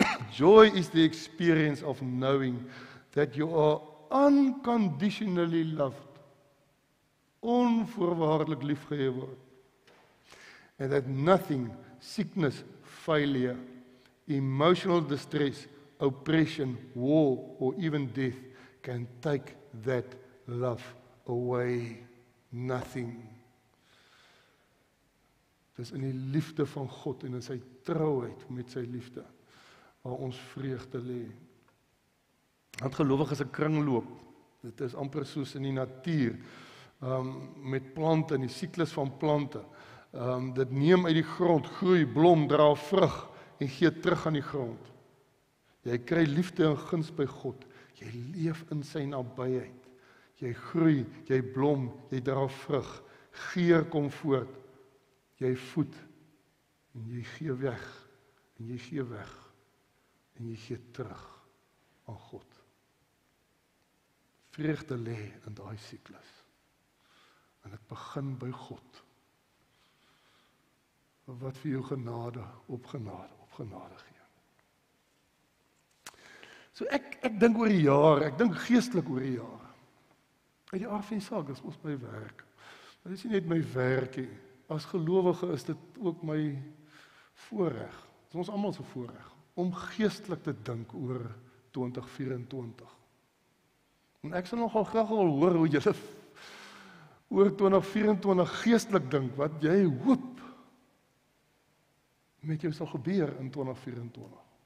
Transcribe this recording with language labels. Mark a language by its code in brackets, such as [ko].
[en] Joy is the experience of knowing that you are unconditionally loved, [af] onvoorwaardelik liefgehê word. [en] and that nothing, sickness, failure, emotional distress, oppression, war, or even death can take that love away. Nothing. [af] Dis in die liefde van God en in sy trouheid met sy liefde waar ons vreugde lê. Want gelowig is 'n kringloop. Dit is amper soos in die natuur. Met plante en die siklus van plante. Dit neem uit die grond, groei, blom, dra vrug en gee terug aan die grond. Jy kry liefde en guns by God. Jy leef in sy nabyheid. Jy groei, jy blom, jy dra vrug. Geur kom voort. Jy voed en jy gee weg en jy gee weg en jy gee terug aan God. Vreugde lê in daai siklus. En dit begin by God. Wat vir jou genade op genade op genade gee. So ek dink oor die jaar, ek dink geestelik oor die jaar. Uit die aard van die saak, dis ons by werk. Dit is nie net my werkie. As gelowige is dit ook my voorreg. Dit is ons allemaal se voorreg om geestelik te dink oor 2024. En ek sal nogal graag wil hoor hoe julle oor 2024 geestelik dink, wat jy hoop met jou sal gebeur in 2024.